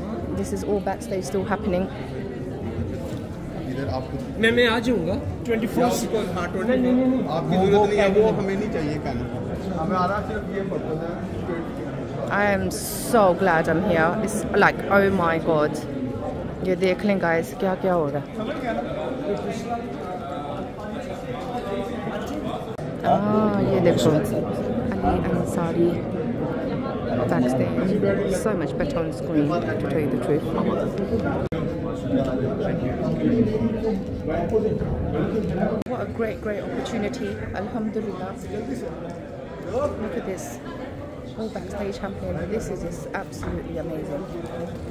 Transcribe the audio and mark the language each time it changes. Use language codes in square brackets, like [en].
[en] This is all backstage still happening. [hi] इधर आपको मैं आ जाऊंगा 24 हां 24 आपकी जरूरत नहीं है, वो हमें नहीं चाहिए. कैमरा हमें आ रहा सिर्फ ये पर्पस है. [en] I am so glad I'm here. It's like oh my god. [hi] ये देख लें गाइस क्या क्या हो रहा है. हाँ ये देखो Ali Ansari backstage. [en] So much better on screen to tell you the truth. What a great, great opportunity. Alhamdulillah. Look at this. All backstage happening. This is just absolutely amazing.